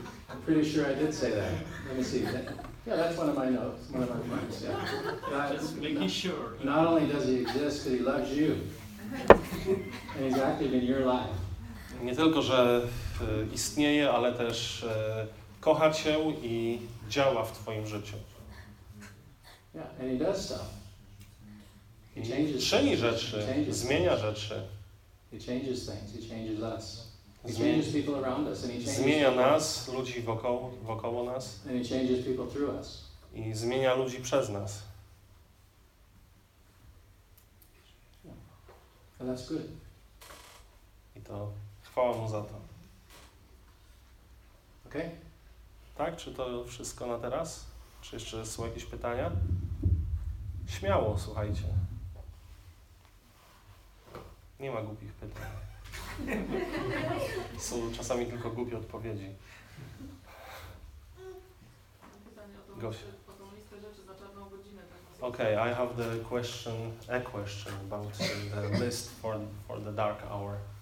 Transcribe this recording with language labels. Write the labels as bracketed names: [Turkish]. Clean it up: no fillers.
[English] I'm pretty sure I did say that. Let me see. Yeah, that's one of my notes. One of my points. Yeah. Just making sure. Not only does he exist, but he loves you. And he's active in your life. [Polish] Nie tylko, że istnieje, ale też kocha cię i działa w twoim życiu. [English] Yeah, and he does stuff. He changes. [Polish] Czyni rzeczy. Zmienia rzeczy. [English] He changes things. He changes us. He changes people around us, and he changes. [Polish] Zmienia nas, ludzi wokoło nas. [English] And he changes people through us. [Polish] I zmienia ludzi przez nas. [English] And that's good. [Polish] I to chwała mu za to. [English] Okay. [Polish] Tak, czy to wszystko na teraz? Czy jeszcze są jakieś pytania? Śmiało, słuchajcie. Nie ma głupich pytań. Są czasami tylko głupie odpowiedzi. Pytanie o tą listę rzeczy za czarną godzinę. Tak? [English] Okay, I have the question, a question about the list for the dark hour.